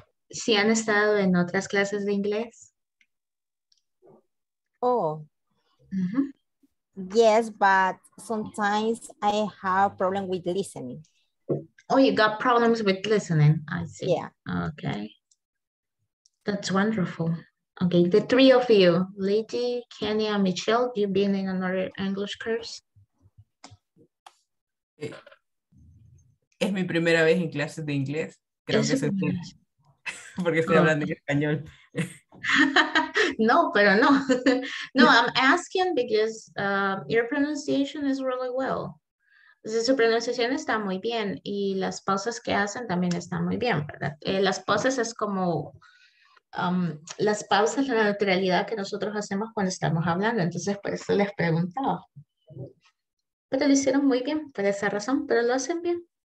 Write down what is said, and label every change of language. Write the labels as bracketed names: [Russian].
[Spanish] ¿Sí han estado en otras clases de inglés? [English] Oh, yes, but sometimes I have a problem with listening. Oh, you got problems with listening. I see. Yeah. Okay. That's wonderful. Okay, the three of you, Lady, Kenny, and Michelle, you've been in another English course. [Spanish] Es mi primera vez en clases de inglés. Creo es que se escucha. Porque estoy hablando en español. No, pero no. [English] No, I'm asking because your pronunciation is really well. [Spanish] Su pronunciación está muy bien y las pausas que hacen también están muy bien, ¿verdad? Las pausas es como las pausas, la neutralidad que nosotros hacemos cuando estamos hablando. Entonces, por eso les preguntaba. Pero lo hicieron muy bien por esa razón, pero lo hacen bien.